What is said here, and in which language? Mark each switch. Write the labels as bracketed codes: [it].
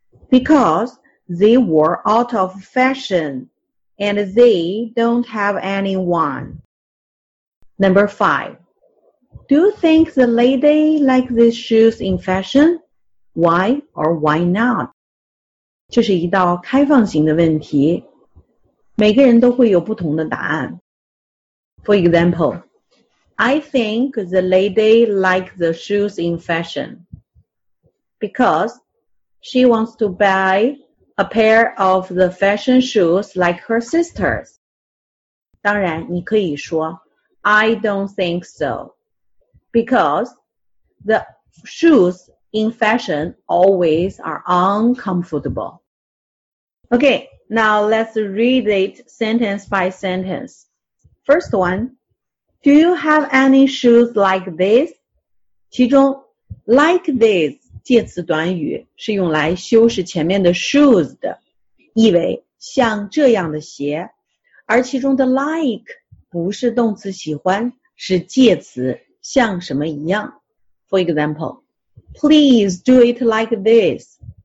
[en] Because they were out of fashion and they don't have anyone. Number 5. Do you think the lady like these shoes in fashion? Why or why not? [zh] 这是一道开放型的问题。每个人都会有不同的答案。 [en] For example, I think the lady like the shoes in fashion. Because she wants to buy a pair of the fashion shoes like her sisters. [zh] 当然你可以说 [en] I don't think so. Because the shoes in fashion always are uncomfortable. Okay, now let's read it sentence by sentence. First one, do you have any shoes like this? [zh] 其中 [en] like this. [zh] 介词短语是用来修饰前面的 shoes 的，意为像这样的鞋，而其中的 like 不是动词喜欢，是介词像什么一样。 [en] For example, please do it like this.